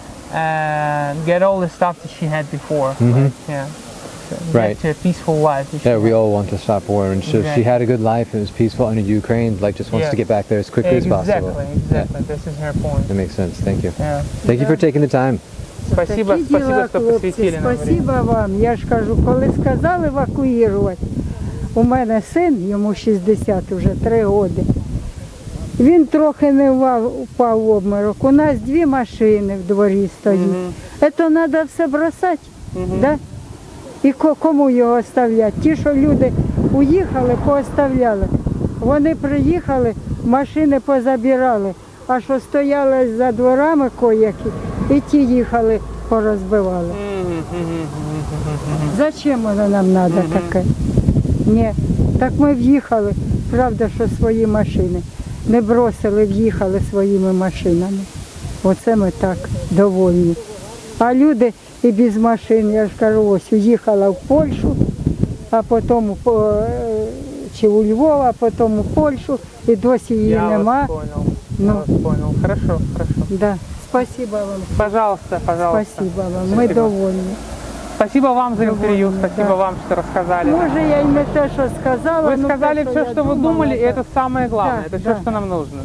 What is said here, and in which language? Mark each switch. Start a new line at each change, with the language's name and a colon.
English: And get all the stuff that she had before. Get to a peaceful life. Yeah, we all want to stop war. And so she had a good life and it was peaceful. And Ukraine like just wants to get back there as quickly as possible. Exactly. Yeah. This is her point. That makes sense. Thank you. Thank you for taking the time.
Russian: Спасибо, спасибо, что посвятили нам. Спасибо вам.
Ukrainian: Я ж кажу, коли сказали евакуировать, у мене син, йому 60 уже 3 роки. Він трохи не впав в обмирок. У нас дві машини в дворі стоять. Це треба все бросати, да? І кому його оставляти? Ті, що люди уїхали, пооставляли. Вони приїхали, машини позабирали. А що стояли за дворами кояки, і ті їхали, порозбивали. Зачем воно нам треба таке? Ні. Так ми в'їхали, правда, що свої машини. Не бросили, в'їхали своїми машинами. Оце ми так довольні. А люди і без машин, я ж кажу, ось, уїхала в Польщу, а потім, чи у Львов, а потім у Польщу, і досі її я нема.
Russian: Я вас понял, Хорошо, хорошо. Да. Спасибо вам. Пожалуйста, пожалуйста. Спасибо вам, спасибо.
Ukrainian: Ми довольні.
Russian: Спасибо вам за интервью, спасибо вам, что рассказали. Может, я не то, что сказала. Вы сказали все, что вы думали, и это самое главное, это все, что нам нужно.